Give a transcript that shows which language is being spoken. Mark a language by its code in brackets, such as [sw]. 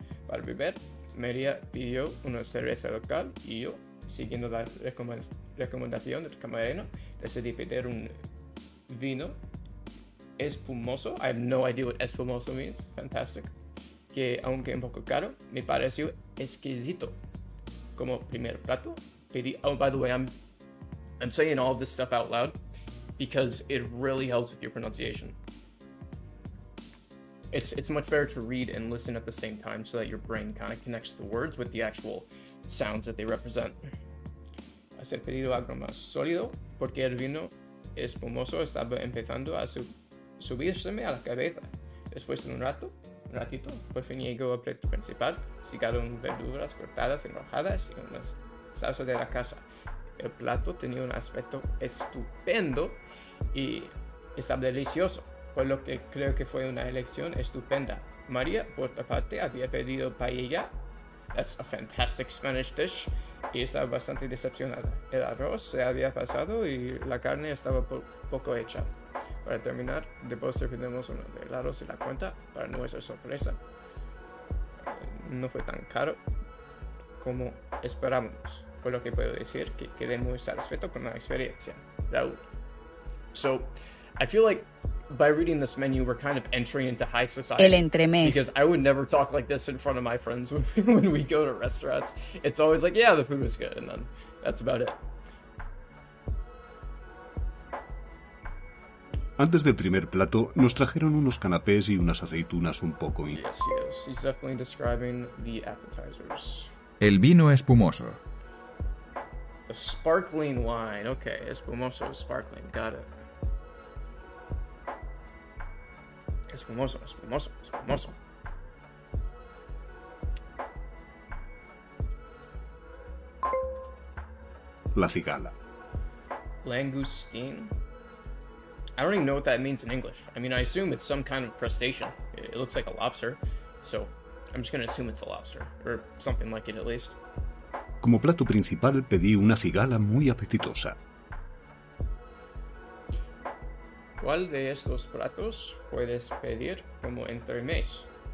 [es] Para beber, María pidió una cerveza local y yo, siguiendo la recomendación del camarero, decidí pedir un vino espumoso. [en] I have no idea what espumoso means. Fantastic. [es] Que, aunque un poco caro, me pareció exquisito. Como primer plato, pedí... [en] Oh, by the way, I'm saying all this stuff out loud because it really helps with your pronunciation. It's much better to read and listen at the same time so that your brain kind of connects the words with the actual sounds that they represent. [es] Hace pedido algo más sólido porque el vino espumoso estaba empezando a subirseme a la cabeza. Después de un ratito, por fin llegó al plato principal, sacaron verduras cortadas en rodajas y una salsa de la casa. El plato tenía un aspecto estupendo y estaba delicioso. Por lo que creo que fue una elección estupenda. María, por otra parte, había pedido paella. [en] That's a fantastic Spanish dish. [es] Y estaba bastante decepcionada. El arroz se había pasado y la carne estaba poco hecha. Para terminar, de postre pedimos uno de helados y la cuenta, para nuestra sorpresa. No fue tan caro como esperábamos. Por lo que puedo decir que quedé muy satisfecho con la experiencia. Raúl. [en] So, I feel like... by reading this menu, we're kind of entering into high society. [es] El entremés. [en] Because I would never talk like this in front of my friends when we go to restaurants. It's always like, yeah, the food was good, and then that's about it. [es] Antes del primer plato, nos trajeron unos canapés y unas aceitunas un poco. [en] Yes. He's definitely describing the appetizers. [es] El vino espumoso. [en] The sparkling wine. Okay, espumoso, sparkling. Got it. [es] Espumoso, espumoso, espumoso. La cigala. [en] Langoustine. I don't even know what that means in English. I mean, I assume it's some kind of crustacean. It looks like a lobster. So, I'm just going to assume it's a lobster. Or something like it, at least. [es] Como plato principal, pedí una cigala muy apetitosa. ¿Cuál de estos platos puedes pedir como entremés?